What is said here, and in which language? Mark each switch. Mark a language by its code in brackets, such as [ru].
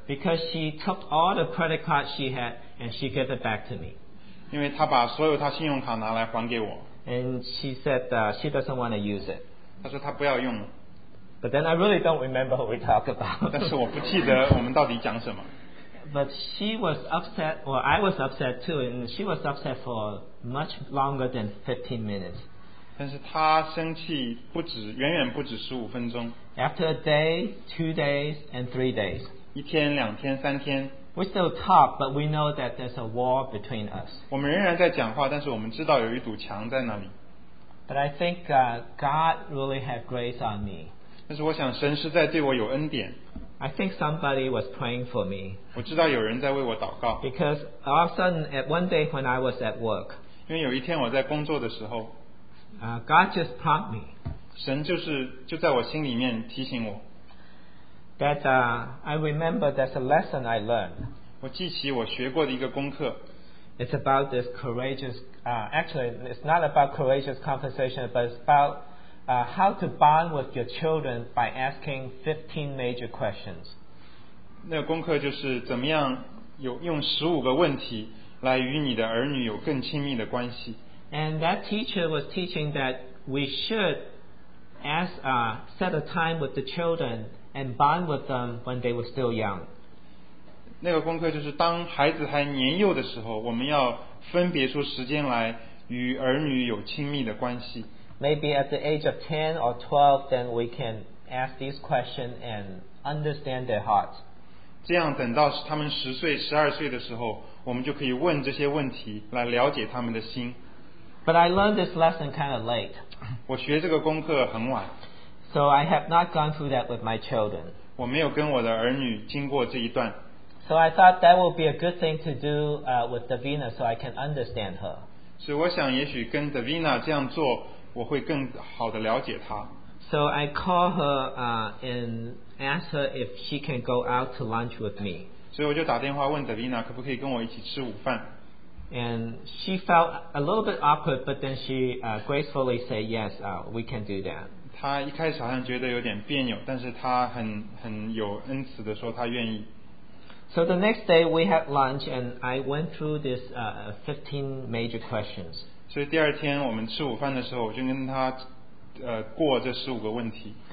[en] Because she took all the credit card she had and she gave it back to me. [zh] 因为她把所有她信用卡拿来还给我。 [en] And she said she doesn't want to use it. [zh] 她说她不要用。 [en] But then I really don't remember what we talked about. [zh] 但是我不记得我们到底讲什么。 [en] But she was upset, or I was upset too, and she was upset for much longer than 15 minutes. [zh] 但是他生气不止，远远不止15分钟。 [en] After a day, 2 days, and 3 days. [zh] 一天、两天、三天。 [en] We still talk, but we know that there's a wall between us. [zh] 我们仍然在讲话，但是我们知道有一堵墙在那里。 [en] But I think God really had grace on me. [zh] 但是我想神实在对我有恩典。 [en] I think somebody was praying for me. [zh] 我知道有人在为我祷告。 [en] Because all of a sudden, at one day when I was at work. [zh] 因为有一天我在工作的时候。 [en] God just taught me. [zh] 神就在我心里面提醒我。 [en] That I remember there's a lesson I learned. [zh] 我记起我学过的一个功课。 [en] It's about this courageous. Actually, it's not about courageous conversation, but it's about how to bond with your children by asking 15 major questions. [zh] 那个功课就是怎么样用15个问题来与你的儿女有更亲密的关系。 [en] And that teacher was teaching that we should set a time with the children and bond with them when they were still young. [zh] 那个功课就是当孩子还年幼的时候，我们要分别出时间来与儿女有亲密的关系。 [en] Maybe at the age of 10 or 12, then we can ask these questions and understand their hearts. [zh] 这样等到他们十岁、十二岁的时候，我们就可以问这些问题来了解他们的心。 [en] But I learned this lesson kind of late. [zh] 我学这个功课很晚。 [en] So I have not gone through that with my children. [zh] 我没有跟我的儿女经过这一段。 [en] So I thought that would be a good thing to do with Davina so I can understand her. [zh] 所以我想也许跟 Davina 这样做我会更好的了解她。 [en] So I call her and ask her if she can go out to lunch with me. [zh] 所以我就打电话问 Davina 可不可以跟我一起吃午饭。 [en] And she felt a little bit awkward, but then she gracefully said, yes, we can do that. [zh] 她一开始好像觉得有点别扭，但是她很有恩慈地说她愿意。 [en] So the next day we had lunch, and I went through this 15 major questions. [zh] 所以第二天我们吃午饭的时候，我就跟她过这15个问题。